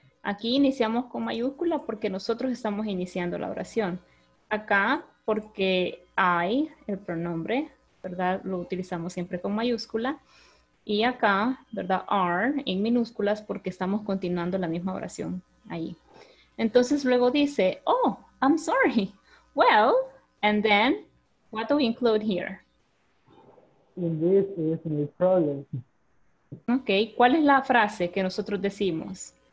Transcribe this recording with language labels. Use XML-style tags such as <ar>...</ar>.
<es>Aquí iniciamos con mayúscula porque nosotros estamos iniciando la oración. Acá, porque I, el pronombre, ¿verdad? Lo utilizamos siempre con mayúscula. Y acá, ¿verdad? Are, en minúsculas, porque estamos continuando la misma oración ahí. Entonces luego dice,</es> <en>oh, I'm sorry. Well, and then, what do we include here? In this is my problem.</en> <es>Ok, ¿cuál es la frase que nosotros decimos?</es>